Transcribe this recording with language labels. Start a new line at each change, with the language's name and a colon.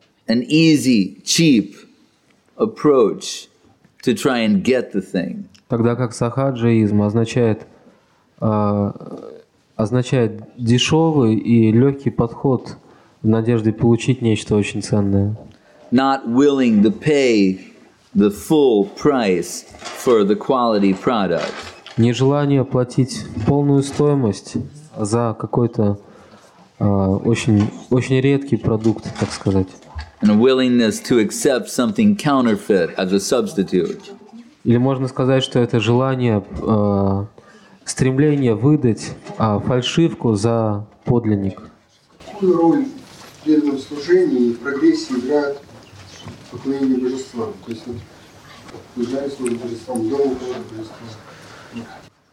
English: an easy, cheap approach to try and get the thing.
Russian: Тогда как сахаджаизм означает, означает дешевый и легкий подход в надежде получить нечто очень ценное.
English: Not willing to pay the full price for the quality product.
Russian: Нежелание платить полную стоимость за какой-то очень, очень редкий продукт, так сказать.
English: And a willingness to accept something counterfeit as a substitute.
Russian: Или можно сказать, что это желание, стремление выдать фальшивку за подлинник. Какую роль в преданном служении и прогрессии играет поклонение божества? То есть, является ли божеством до ухода божества?